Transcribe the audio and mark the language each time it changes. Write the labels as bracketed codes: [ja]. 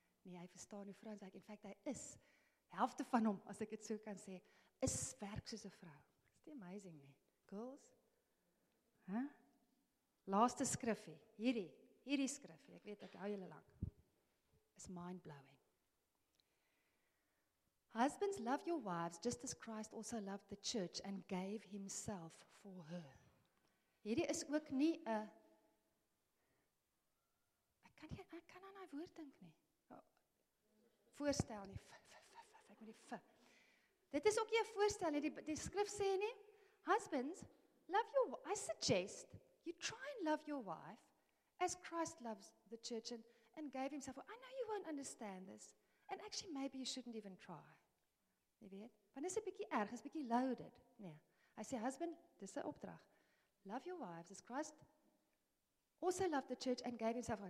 [af] Nee, hy verstaan hoe vrouens werk. In feite hy is helfte van hom, as ek dit so kan sê, is werk soos 'n vrou. [en] It's amazing, [af] nie? Girls? Huh? Laaste skrifie, hierdie skrifie. Ek weet ek hou julle lank. [en] Is mind blowing. Husbands, love your wives just as Christ also loved the church and gave himself for her. [af] Hierdie is ook nie 'n ek kan aan daai woord dink nie. Voorstel nie. Ek moet die f. Dit is ook nie 'n voorstel nie. Die skrif sê nie, [en] husbands, I suggest you try and love your wife as Christ loves the church and gave himself for. I know you won't understand this and actually maybe you shouldn't even try. [af] Jy weet, want dit is 'n bietjie erg, is bietjie loaded. Nee. Hy sê husband, dis 'n opdrag. [en] Love your wives as Christ also loved the church and gave himself.